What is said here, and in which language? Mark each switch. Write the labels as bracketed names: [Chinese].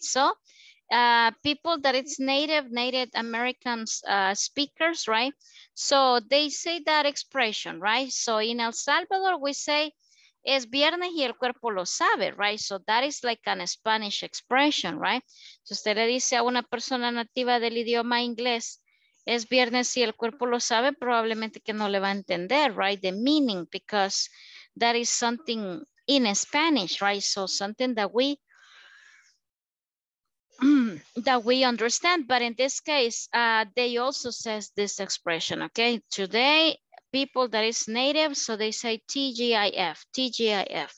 [English] So people that it's Native American speakers, right? So they say that expression, right? So in El Salvador, we say, [Spanish] es viernes y el cuerpo lo sabe, [English] right? So that is like an Spanish expression, right? [Spanish] So usted le dice a una persona nativa del idioma inglés, es viernes y el cuerpo lo sabe, probablemente que no le va a entender, right? [English] The meaning, because that is something in Spanish, right? So something that we understand. But in this case, they also says this expression, okay? Today, people that is native, so they say TGIF, TGIF.